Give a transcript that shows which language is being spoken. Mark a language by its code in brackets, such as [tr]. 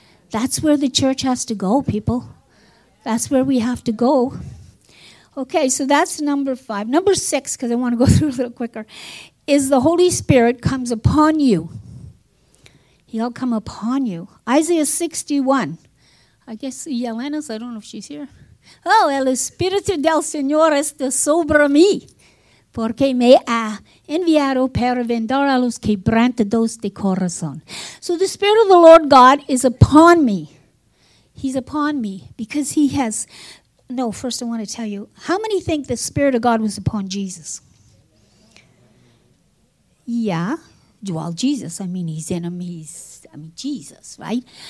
[en] That's where the church has to go, people. That's where we have to go. Okay, so that's number five. Number six, because I want to go through a little quicker, is the Holy Spirit comes upon you. He'll come upon you. Isaiah 61. I guess Yelena's, I don't know if she's here. [es] Oh, el Espíritu del Señor está sobre mí, porque me ha enviado para vendar a los quebrantados de corazón. [en] So the Spirit of the Lord God is upon me. He's upon me because he has... No, first I want to tell you, how many think the Spirit of God was upon Jesus? Yeah. Well, Jesus, I mean, he's in him. Jesus, right?